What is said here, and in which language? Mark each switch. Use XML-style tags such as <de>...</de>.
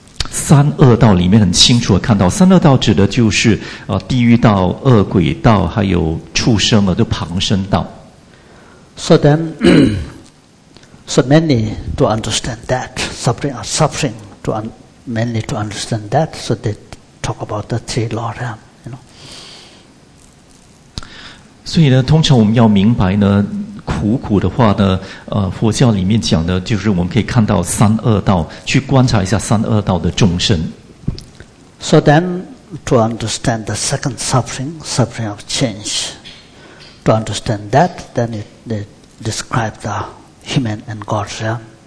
<zh>三恶道里面很清楚的看到，三恶道指的就是地狱道、恶鬼道，还有畜生啊，就旁生道。So</zh> <en>then, so many to understand that suffering, mainly to understand that, so they talk about the three law realm, you know.</en> <zh>所以呢，通常我们要明白呢。苦苦的话呢，佛教里面讲的就是我们可以看到三恶道，去观察一下三恶道的众生。So</zh> <en>then, to understand the second suffering, suffering of change, to understand that, then they describe the human and God's realm.</en>